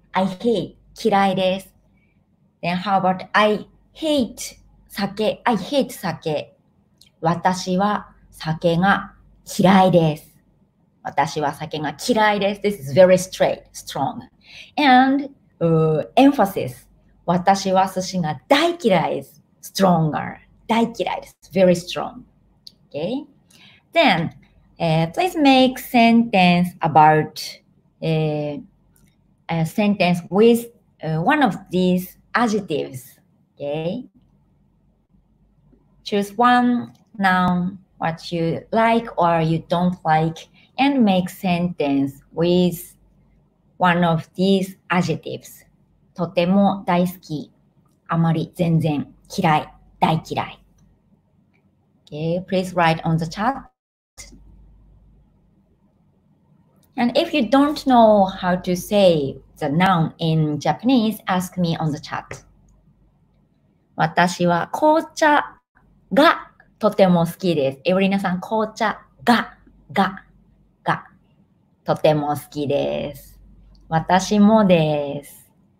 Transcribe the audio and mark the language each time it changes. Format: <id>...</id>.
<en>I hate 嫌いです。Then how about I hate 酒。I hate 酒。</en> <ja>私は酒が嫌いです。私は酒が嫌いです。</ja> <en>This is very straight, strong. And emphasis.</en> <ja>私は寿司が大嫌いです。</ja> <en>Stronger. 大嫌いです。Very strong. Okay. Then, please make sentence about a sentence with one of these adjectives. Okay. Choose one noun what you like or you don't like. And make sentence with one of these adjectives.</en> <ja>とても大好き。あまり全然嫌い。大嫌い。</ja> <en>Okay, please write on the chat. And if you don't know how to say the noun in Japanese, ask me on the chat.</en> <ja>私は紅茶がとても好きです。エヴリナさん、紅茶が、が。とても好きです。私もです。</ja>